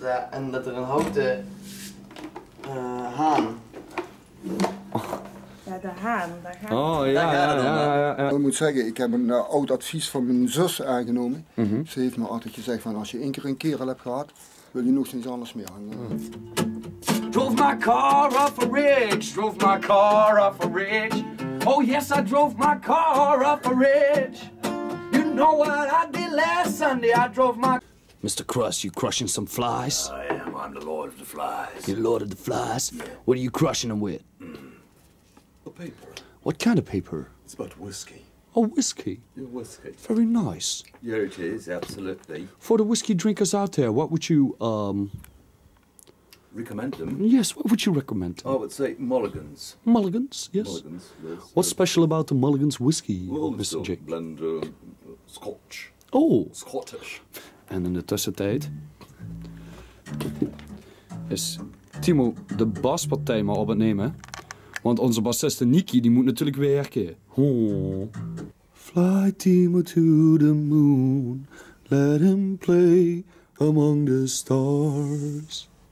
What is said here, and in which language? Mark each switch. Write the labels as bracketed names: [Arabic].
[Dutch] En dat er een houten haan. Ja, de haan, daar gaat het. Oh ja, Ik moet zeggen, ik heb een oud advies van mijn zus aangenomen. Mm-hmm. Ze heeft me altijd gezegd van, als je één keer een kerel hebt gehad, wil je nog eens anders meer hangen. Mm. [English] Drove my car off a ridge, drove my car off a ridge. Oh yes, I drove my car off a ridge. You know what I did last Sunday, I drove my... Mr. Crush, you crushing some flies? I am, I'm the lord of the flies. You're the lord of the flies? Yeah. What are you crushing them with? A paper. What kind of paper? It's about whiskey. A whiskey? Yeah, whiskey. Very nice. Yeah, it is, absolutely. For the whiskey drinkers out there, what would you, recommend them? Yes, what would you recommend them? I would say Mulligans. Mulligans, yes. Mulligans, yes. What's special about the Mulligans whiskey, well, Mr. Jake? Well, blend Scotch. Oh. Scottish. And in the [Dutch] tussentijd is Timo de baspartij maar op het nemen. Want onze bassiste Niki die moet natuurlijk werken. Oh. [English] Fly Timo to the moon, let him play among the stars.